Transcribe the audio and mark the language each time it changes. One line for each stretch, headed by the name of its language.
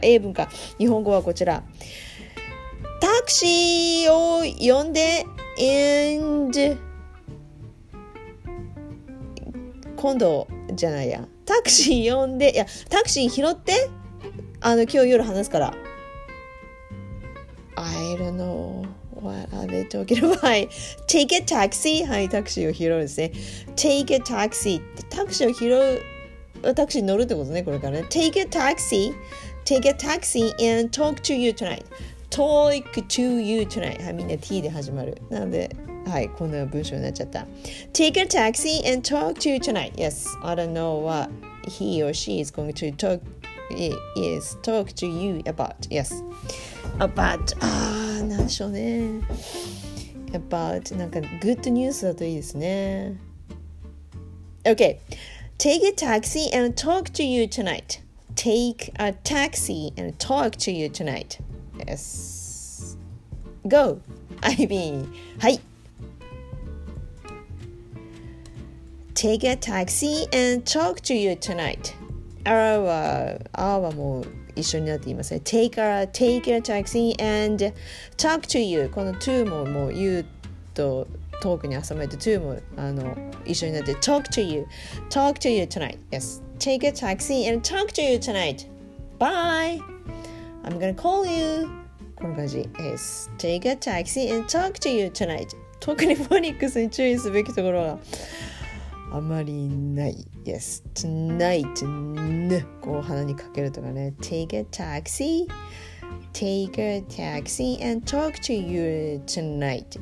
Japanese: 英文か、日本語はこちら。タクシーを呼んで、and... 今度じゃないや、タクシー呼んで、いやタクシー拾って、あの今日夜話すから。
English: I don't know what are they talking about. Take a taxi、
Japanese: はい、タクシーを拾うですね。Take a taxi、 タクシーを拾う、タクシーに乗るってことね、これからね。
English: Take a taxi、 Take a taxi and talk to you tonight、 Talk to you tonight、
Japanese: はい、みんな T で始まる。なのではい、こんな文章になっちゃった。
English: Take a taxi and talk to you tonight. Yes, I don't know what he or she is going to talk to you about. Yes, about,
Japanese: なんでしょうね。 About, なんかグッドニュースだといいですね。
English: Okay, take a taxi and talk to you tonight. Take a taxi and talk to you tonight. Yes, go, Ivy. はい、Take a taxi and talk to you tonight.
Japanese: アーはもう一緒になって言いますね。
English: Take a taxi and talk to you.
Japanese: この to ももう you と talk に挟めて to もあの一緒になって
English: talk to you. Talk to you tonight.
Japanese: Yes.
English: Take a taxi and talk to you tonight. Bye. I'm gonna call you.
Japanese: この感じ。
English: Yes. Take a taxi and talk to you tonight.
Japanese: 特にフォニックスに注意すべきところはあまりない。
English: Yes. Tonight.
Japanese: こう鼻にかけるとかね。
English: Take a taxi. Take a taxi and talk to you tonight.